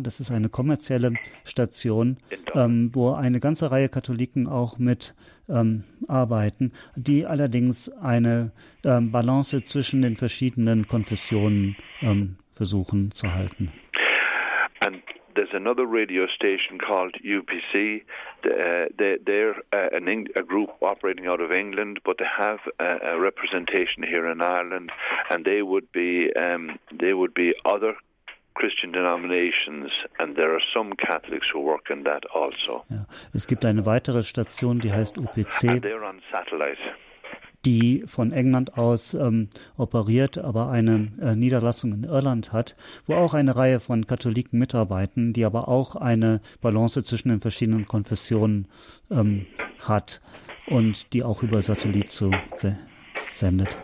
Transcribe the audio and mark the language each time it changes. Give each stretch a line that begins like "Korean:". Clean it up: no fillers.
German: Das ist eine kommerzielle Station, wo eine ganze Reihe Katholiken auch mit arbeiten, die allerdings eine Balance zwischen den verschiedenen Konfessionen versuchen zu halten.
English: And there's another radio station called UPC. They're a group operating out of England, but they have a representation here in Ireland, and they would be other Christian denominations, and there are some Catholics who work in that also.
German: Ja. Es gibt eine weitere Station, die heißt UPC.
English: And they're on satellite.
German: die von England aus operiert, aber eine Niederlassung in Irland hat, wo auch eine Reihe von Katholiken mitarbeiten, die aber auch eine Balance zwischen den verschiedenen Konfessionen hat und die auch über Satellit zu sendet.